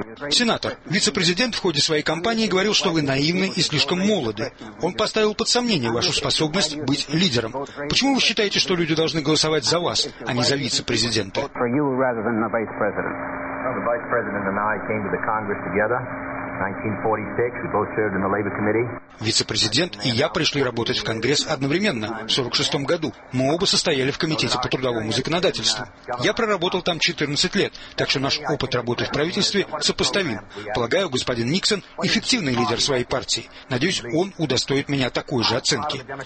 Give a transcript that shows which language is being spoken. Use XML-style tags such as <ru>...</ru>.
<ru>Сенатор, вице-президент в ходе своей кампании говорил, что вы наивны и слишком молоды. Он поставил под сомнение вашу способность быть лидером. Почему вы считаете, что люди должны голосовать за вас, а не за вице-президента?</ru> <en>The Vice President and I came to the Congress together. 1946, we both served in the Labor Committee.</en> <ru>Вице-президент и я пришли работать в Конгресс одновременно, в 46-м году. Мы оба состояли в Комитете по трудовому законодательству. Я проработал там 14 лет, так что наш опыт работы в правительстве сопоставим. Полагаю, господин Никсон – эффективный лидер своей партии. Надеюсь, он удостоит меня такой же оценки.</ru>